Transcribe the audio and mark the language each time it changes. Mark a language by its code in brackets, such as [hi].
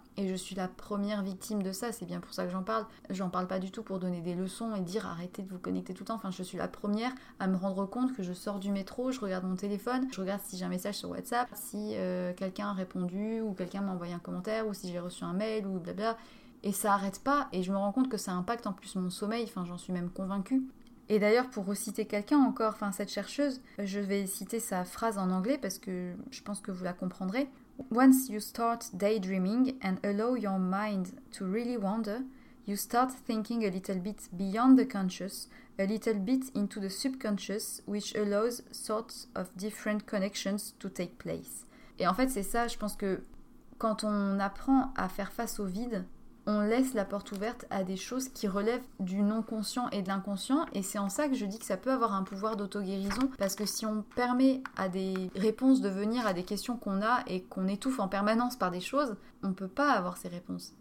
[fr] Et je suis la première victime de ça, c'est bien pour ça que j'en parle. J'en parle pas du tout pour donner des leçons et dire arrêtez de vous connecter tout le temps. Enfin, je suis la première à me rendre compte que je sors du métro, je regarde mon téléphone, je regarde si j'ai un message sur WhatsApp, si quelqu'un a répondu ou quelqu'un m'a envoyé un commentaire ou si j'ai reçu un mail ou blabla. Et ça arrête pas et je me rends compte que ça impacte en plus mon sommeil, enfin j'en suis même convaincue. Et d'ailleurs, pour reciter quelqu'un encore, enfin cette chercheuse, je vais citer sa phrase en anglais parce que je pense que vous la comprendrez. [en] Once you start daydreaming and allow your mind to really wander, you start thinking a little bit beyond the conscious, a little bit into the subconscious, which allows sorts of different connections to take place. [fr] Et en fait, c'est ça, je pense que quand on apprend à faire face au vide, on laisse la porte ouverte à des choses qui relèvent du non-conscient et de l'inconscient. Et c'est en ça que je dis que ça peut avoir un pouvoir d'auto-guérison. Parce que si on permet à des réponses de venir à des questions qu'on a et qu'on étouffe en permanence par des choses, on peut pas avoir ces réponses.